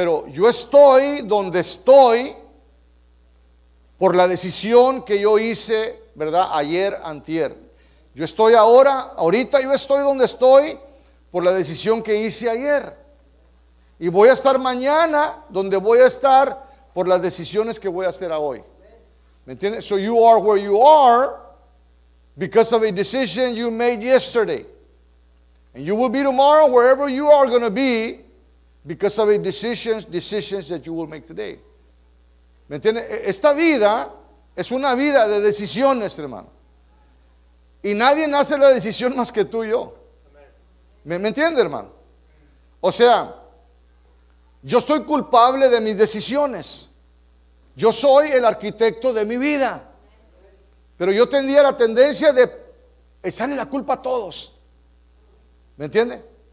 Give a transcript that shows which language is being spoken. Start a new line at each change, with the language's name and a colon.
Spanish: Pero yo estoy donde estoy por la decisión que yo hice, ¿verdad? Ayer, antier. Yo estoy ahora, ahorita yo estoy donde estoy por la decisión que hice ayer. Y voy a estar mañana donde voy a estar por las decisiones que voy a hacer hoy. ¿Me entiendes?
English: So you are where you are because of a decision you made yesterday. And you will be tomorrow wherever you are going to be because of a decisions that you will make today.
Spanish: ¿Me entiendes? Esta vida es una vida de decisiones, hermano. Y nadie hace la decisión más que tú y yo. ¿Me entiendes, hermano? O sea, yo soy culpable de mis decisiones. Yo soy el arquitecto de mi vida. Pero yo tendría la tendencia de echarle la culpa a todos. ¿Me entiende?